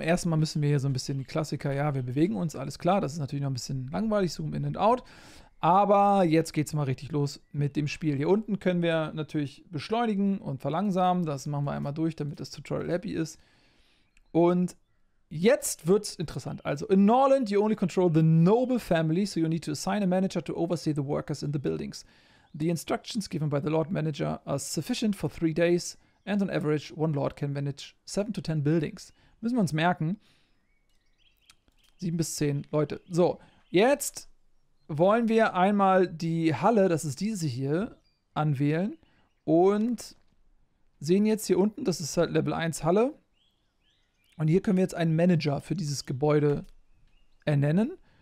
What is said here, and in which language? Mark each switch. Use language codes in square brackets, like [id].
[de] Erstmal müssen wir hier so ein bisschen die Klassiker, ja, wir bewegen uns, alles klar. Das ist natürlich noch ein bisschen langweilig, [en] zoom in and out. [de] Aber jetzt geht's mal richtig los mit dem Spiel. Hier unten können wir natürlich beschleunigen und verlangsamen. Das machen wir einmal durch, damit das Tutorial happy ist. Und jetzt wird's interessant. [en] Also, in Norland, you only control the noble family, so you need to assign a manager to oversee the workers in the buildings. The instructions given by the Lord Manager are sufficient for 3 days. And on average, one lord can manage 7 to 10 buildings. [de] Müssen wir uns merken. 7 bis 10 Leute. So, jetzt wollen wir einmal die Halle, das ist diese hier, anwählen. Und sehen jetzt hier unten, das ist halt Level 1 Halle. Und hier können wir jetzt einen Manager für dieses Gebäude ernennen.